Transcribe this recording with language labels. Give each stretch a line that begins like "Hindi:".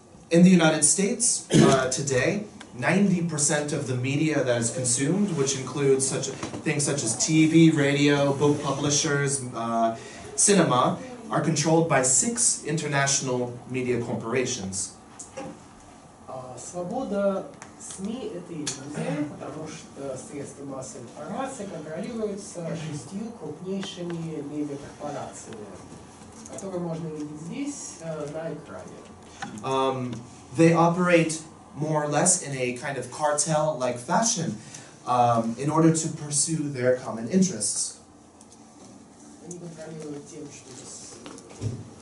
English: In the United States today, 90% of the media that is consumed, which includes such things such as TV, radio, book publishers, cinema, are controlled by six international media corporations.
Russian: Свобода СМИ – это иллюзия, потому что средства массовой информации контролируются шестью крупнейшими медиакорпорациями, которые можно видеть здесь, на экране.
English: They operate more or less in a kind of cartel-like fashion in order to pursue their common interests.
Russian: Они контролируют тем, что